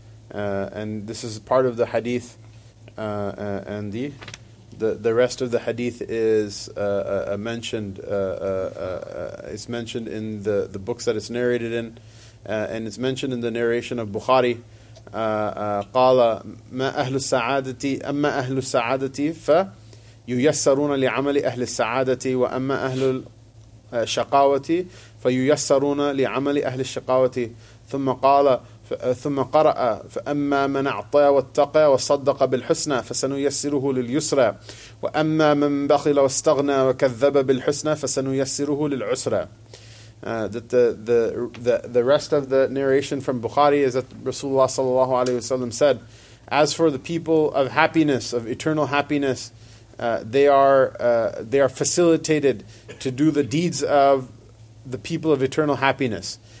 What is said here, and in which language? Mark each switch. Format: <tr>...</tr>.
<en>And this is part of the hadith, and the rest of the hadith is mentioned in the books that it's narrated in, and it's mentioned in the narration of Bukhari.</en> <ar>قال ما أهل السعادة أما أهل السعادة فييسرون لعمل أهل السعادة وأما أهل الشقاوة فييسرون لعمل أهل الشقاوة ثم قال ثم قرأ فأما من أعطى واتقى وصدق بالحسنى فسنيسره لليسرى وأما من بخل واستغنى وكذب بالحسنى فسنيسره للعسرى.</ar> <en>That the rest of the narration from Bukhari is that Rasulullah sallallahu alaihi wasallam said, as for the people of happiness, of eternal happiness, they are facilitated to do the deeds of the people of eternal happiness.</en>